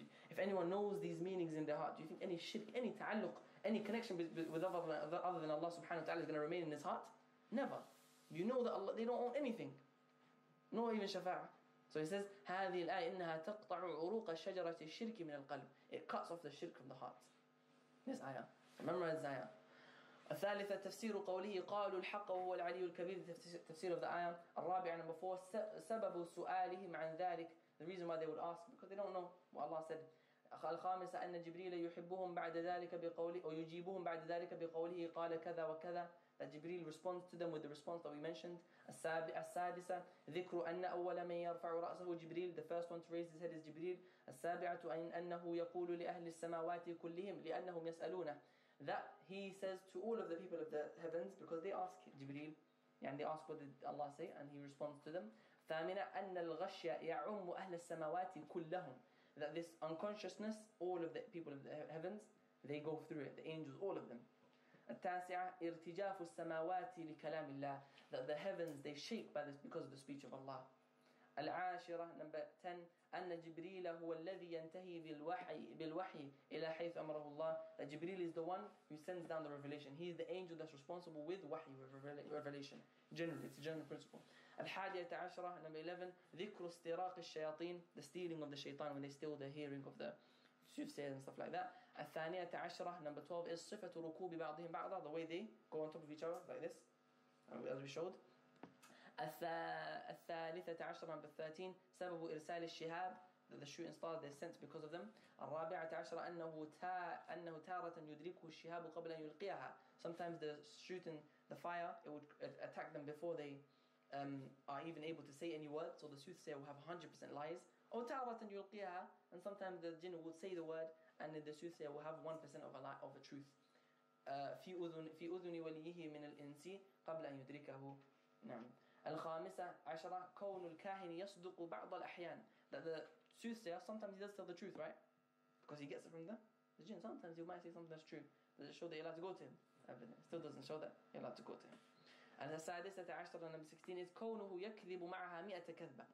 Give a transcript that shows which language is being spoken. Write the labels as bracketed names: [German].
[English] If anyone knows these meanings in their heart, do you think any shirk, any ta'alluq, any connection with other than Allah subhanahu wa ta'ala is going to remain in his heart? Never. You know that Allah, they don't own anything. Nor even shafa'ah. So he says, [Arabic] هَذِي الْآيَ إِنَّهَا تَقْطَعُ عُرُوقَ شَجَرَةِ الشِّرْكِ مِنَ الْقَلْبِ. [English] It cuts off the shirk from the heart. This ayah. Memorize this ayah. [Arabic] الثالثة تفسير قوله قالوا الحق وهو العلي الكبير. [English] تفسير of the ayah. [Arabic] الرابع, [English] number four, [Arabic] سبب سؤالهم عن ذلك. [English] The reason why they would ask, because they don't know what Allah said. [Arabic] الخامسة أن جبريل يحبهم بعد ذلك بقوله أو يجيبهم بعد ذلك بقوله قال كذا وكذا. [English] That Jibreel responds to them with the response that we mentioned. [Arabic] السادسة ذكر أن أول من يرفع رأسه جبريل. [English] The first one to raise his head is Jibreel. [Arabic] السابعة أنه يقول لأهل السماوات كلهم لأنهم يسألونه. [English] That he says to all of the people of the heavens because they ask Jibreel. And they ask, what did Allah say? And he responds to them. [Arabic] ثامنة أن الغشية يعم أهل السماوات كلهم. [English] That this unconsciousness, all of the people of the heavens, they go through it. The angels, all of them. [Arabic] التاسعة ارتجاف السماوات لكلام الله. [English] That the heavens, they shake by this because of the speech of Allah. [Arabic] العاشرة, [English] number 10, [Arabic] أن جبريل هو الذي ينتهي بالوحي إلى حيث أمره الله. [English] That Jibreel is the one who sends down the revelation. He is the angel that's responsible with wahi, revelation. Generally, it's a general principle. [Arabic] الحادية عشرة, [English] number 11, [Arabic] ذكر استراق الشياطين. [English] The stealing of the shaitan, when they steal the hearing of the soothsayers and stuff like that. [Arabic] الثانية عشرة, [English] number 12, is [Arabic] صفة ركوب بعضهم بعضا, [English] the way they go on top of each other, like this, as we showed. [Arabic] الثالثة عشرة, [English] number 13, [Arabic] سبب إرسال الشهاب, [English] that the shooting stars, they're sent because of them. [Arabic] الرابعة عشرة, أنه تارة يدركه الشهاب قبل أن يلقيها. [English] Sometimes the shooting, the fire, it would attack them before they are even able to say any word, so the soothsayer will have 100% lies. Or [Arabic] تارة يلقيها, [English] and sometimes the jinn would say the word, and the soothsayer will have 1% of a lie, of a truth. [Arabic] في أذن وليه من الإنس قبل أن يدركه. [English] نعم. [Arabic] الخامسة عشرة, كون الكاهن يصدق بعض الأحيان, [English] that the soothsayer sometimes he does tell the truth, right? Because he gets it from the jinn. Sometimes he might say something that's true. Does it show that you're allowed to go to him? Evidently. Still doesn't show that you're allowed to go to him. And the [Arabic] السادسة عشرة, [English] number 16, is [Arabic] كونه يكذب معها مئة كذبة.